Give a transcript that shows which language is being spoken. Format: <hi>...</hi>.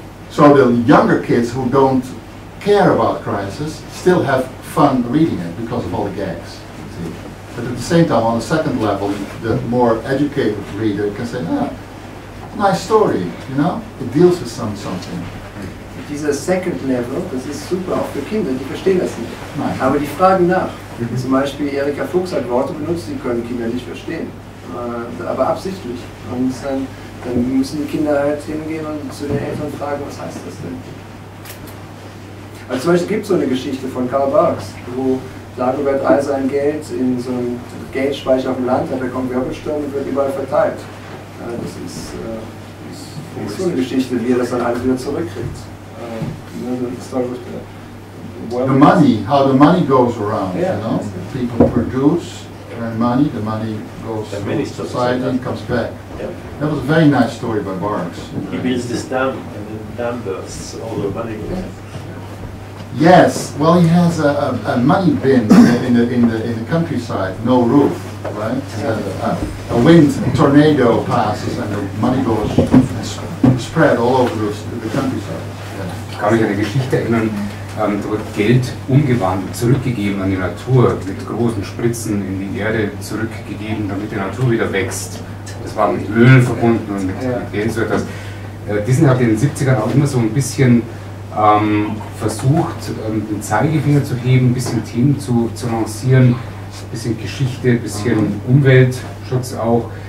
<en>So the younger kids who don't care about crisis still have fun reading it because of all the gags. See? But at the same time, on a second level, the more educated reader can say, nice story, you know? It deals with something.</en> <de>Dieser Second Level, das ist super, auch für Kinder, die verstehen das nicht. Aber die fragen nach. Mhm. Zum Beispiel Erika Fuchs hat Worte benutzt, die können Kinder nicht verstehen. Aber absichtlich. Und dann müssen die Kinder halt hingehen und zu den Eltern fragen, was heißt das denn? Also zum Beispiel gibt es so eine Geschichte von Karl Barks, wo Dagobert all sein Geld in so einem Geldspeicher auf dem Land hat, da kommt Wirbelsturm und wird überall verteilt. Das ist so eine Geschichte, wie er das dann alles wieder zurückkriegt.</de> <en>The money, how the money goes around, yeah. You know, people produce, earn money, the money goes through society and comes back. Yeah. That was a very nice story by Barks. He builds this dam, and the dam bursts, all the money goes. Yes, well he has a money bin in the countryside, no roof, right? A wind, a tornado passes and the money goes spread all over the countryside.</en> <de>Ich kann mich an eine Geschichte erinnern, da wird Geld umgewandelt, zurückgegeben an die Natur, mit großen Spritzen in die Erde zurückgegeben, damit die Natur wieder wächst. Das war mit Öl verbunden und mit Geld so etwas. Disney hat in den 70ern auch immer so ein bisschen versucht, den Zeigefinger zu heben, ein bisschen Themen zu lancieren, ein bisschen Geschichte, ein bisschen Umweltschutz auch.</de>